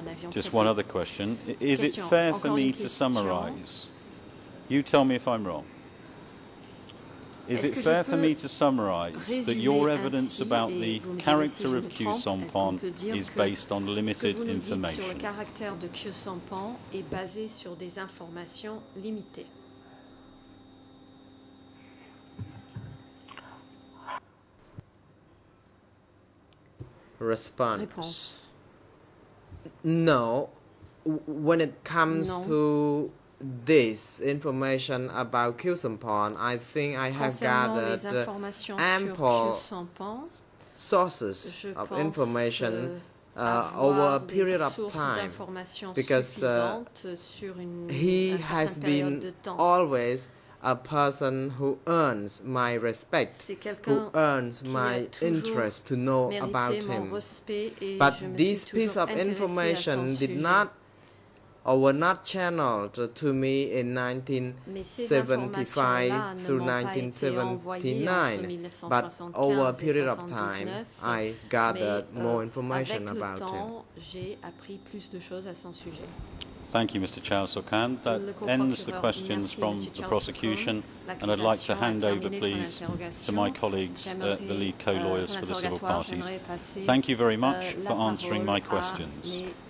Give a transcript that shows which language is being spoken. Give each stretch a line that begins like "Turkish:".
English: Just one other question. Is it fair for me to summarize? You tell me if I'm wrong. Is it fair for me to summarize that your evidence about the character of Khieu Samphan is based on limited information?
French: Le caractère de Khieu Samphan est basé sur des informations limitées.
English: Response. No, when it comes to this information about Khieu Samphan, I think I have gathered ample sources of information over a period of time, because he has been always a person who earns my respect, who earns my interest to know about him. But this piece of information did not or were not channeled to me in 1975 through 1979, but over a period of time, I gathered more information about him.
French: J'ai appris plus de choses à son sujet.
English: Thank you, Mr. Chow Sok-han. That ends the questions from the prosecution, and I'd like to hand over, please, to my colleagues, the lead co-lawyers for the civil parties. Thank you very much for answering my questions.